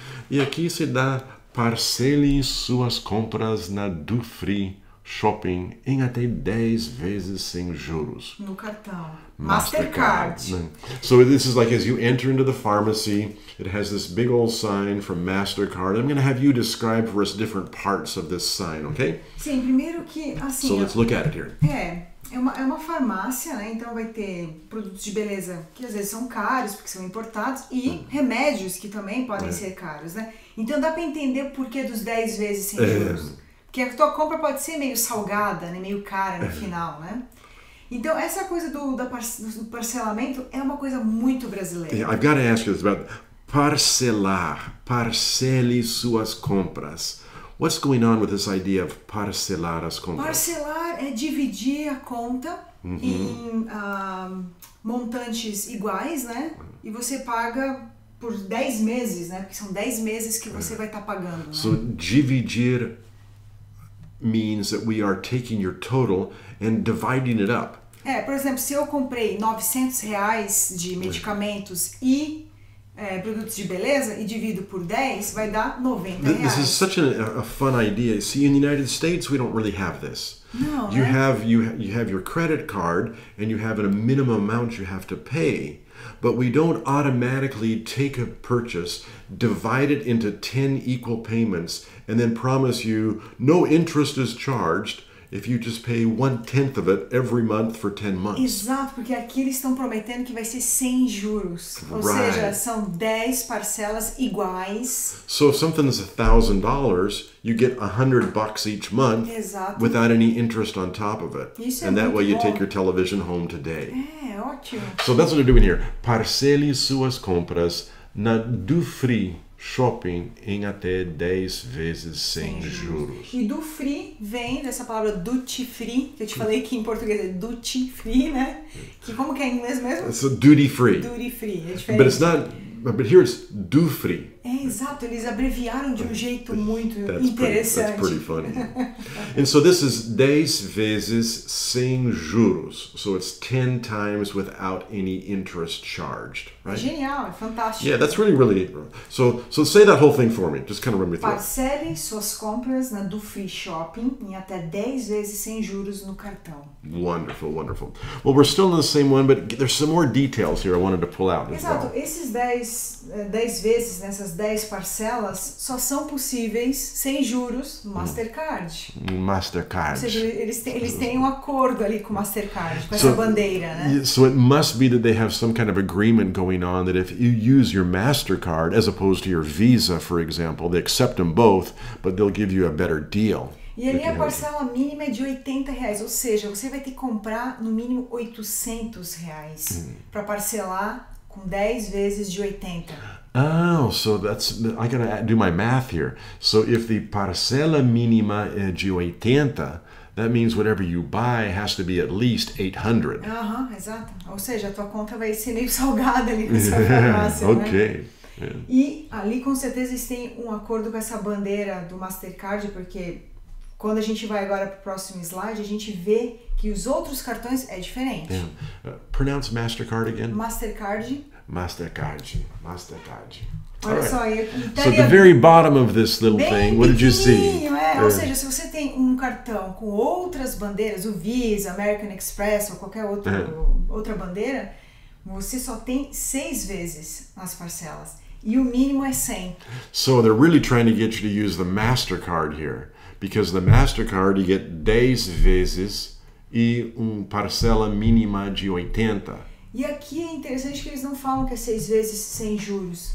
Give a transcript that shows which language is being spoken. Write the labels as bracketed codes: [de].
[pt] E aqui se dá parcele suas compras na Dufry Shopping em até 10 vezes sem juros. No cartão. Mastercard. [en] So this is like as you enter into the pharmacy, it has this big old sign from Mastercard. I'm going to have you describe for us different parts of this sign, okay? [pt] Sim, primeiro que, assim... [en] So let's look at it here. [pt] É uma farmácia, né? Então vai ter produtos de beleza que às vezes são caros, porque são importados, e remédios que também podem ser caros, né? Então dá para entender o porquê dos 10 vezes sem juros. Porque a tua compra pode ser meio salgada, né? Meio cara no final, né? Então, essa coisa do parcelamento é uma coisa muito brasileira. [en] Yeah, I've got to ask you this about [pt] parcelar, parcele suas compras. [en] What's going on with this idea of [pt] parcelar as compras? Parcelar é dividir a conta em montantes iguais, né? E você paga por 10 meses, né? Porque são 10 meses que você vai estar pagando, né? [en] So, [pt] dividir [en] means that we are taking your total and dividing it up. [pt] É, por exemplo, se eu comprei R$900 de medicamentos e produtos de beleza e divido por 10, vai dar R$90. [en] This is such a fun idea. See, in the United States, we don't really have this. [pt] Não, [en] you have your credit card and you have a minimum amount you have to pay, but we don't automatically take a purchase, divide it into 10 equal payments, and then promise you no interest is charged if you just pay 1/10 of it every month for 10 months. [pt] Exato, porque aqui eles estão prometendo que vai ser sem juros. [en] Right. [pt] Ou seja, são 10 parcelas iguais. [en] So if something is $1,000, you get $100 each month. [pt] Exato. [en] Without any interest on top of it. [pt] Isso [en] and [pt] é [en] that way [pt] bom. [en] You take your television home today. [pt] Ótimo. [en] So that's what they're doing here. [pt] Parcele suas compras na Dufry Shopping em até 10 vezes sem juros. E Dufry vem dessa palavra duty free, que eu te falei que em português é duty free, né? Que como que é em inglês mesmo? [en] It's a duty free. [pt] Duty free, é diferente. [en] But it's not, but here it's Dufry. [pt] É, exato, eles abreviaram de um jeito muito [en] that's [pt] interessante. [en] Pretty, that's pretty funny. And so this is [pt] 10 vezes sem juros. [en] So it's 10 times without any interest charged, right? [pt] Genial, é fantástico. [en] Yeah, that's really, really... So say that whole thing for me. Just kind of run me through. [pt] Parcele suas compras na Dufry Shopping em até 10 vezes sem juros no cartão. [en] Wonderful, wonderful. Well, we're still in the same one, but there's some more details here I wanted to pull out. [pt] Exato, [en] well. [pt] Esses 10 vezes, né? Essas 10 parcelas só são possíveis sem juros no Mastercard. [en] Mastercard. [pt] Ou seja, eles têm um acordo ali com o Mastercard, com essa bandeira, né? [en] So it must be that they have some kind of agreement going on that if you use your Mastercard as opposed to your Visa, for example, they accept them both, but they'll give you a better deal. [pt] E ali a parcela mínima é de R$80, ou seja, você vai ter que comprar no mínimo R$800 para parcelar com 10 vezes de 80. [en] Oh, so that's, I gotta do my math here. So if the [pt] parcela mínima é de 80, [en] that means whatever you buy has to be at least 800. [pt] Uh-huh, exato. Ou seja, a tua conta vai ser meio salgada ali com essa farmácia, [en] okay. [pt] Né? [en] Yeah. [pt] E ali com certeza eles têm um acordo com essa bandeira do Mastercard, porque quando a gente vai agora pro próximo slide, a gente vê que os outros cartões é diferente. [en] Pronounce Mastercard again. [pt] Mastercard. [en] Mastercard. [pt] Olha [en] right. [pt] Só, então, [en] so the very bottom of this little thing, what did you see? [pt] Ou seja, se você tem um cartão com outras bandeiras, o Visa, American Express ou qualquer outra bandeira, você só tem 6 vezes as parcelas e o mínimo é 100. [en] So they're really trying to get you to use the Mastercard here, because the Mastercard you get [pt] 10 vezes e parcela mínima de 80. E aqui é interessante que eles não falam que é 6 vezes sem juros.